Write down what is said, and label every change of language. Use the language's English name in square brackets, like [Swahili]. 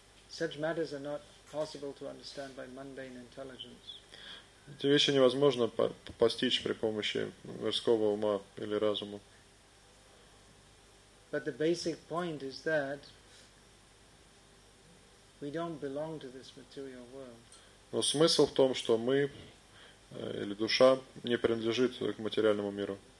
[English] Such matters are not possible to understand by mundane intelligence. [Russian] Эти вещи невозможно постичь при помощи мирского ума или разума. [English] But the basic point is that we don't belong to this material world. [Russian] Но смысл в том, что мы или душа не принадлежит к материальному миру.